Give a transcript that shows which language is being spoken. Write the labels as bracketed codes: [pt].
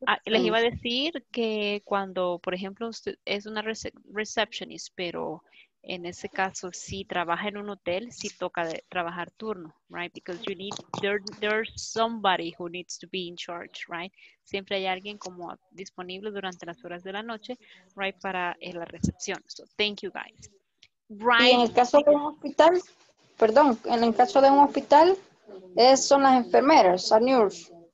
[es] Les iba a decir que cuando, por ejemplo, usted es una receptionist, pero en ese caso, si trabaja en un hotel, si toca trabajar turno, right? [en] Because you need, there's somebody who needs to be in charge, right? [es] Siempre hay alguien como disponible durante las horas de la noche, right, para la recepción. [en] So, thank you, guys. Right. [es] Y en el caso de un hospital, son las enfermeras, [en] a nurse.